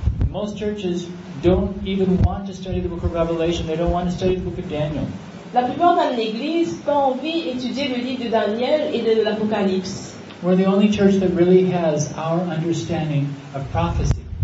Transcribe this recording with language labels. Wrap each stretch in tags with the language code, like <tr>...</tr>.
<en>Most churches don't even want to study the book of Revelation. They don't want to study the book of Daniel.</en> <fr>La plupart des églises n'ont pas envie d'étudier le livre de Daniel et de l'Apocalypse.</fr> <en>We're the only church that really has our understanding of prophecy.</en>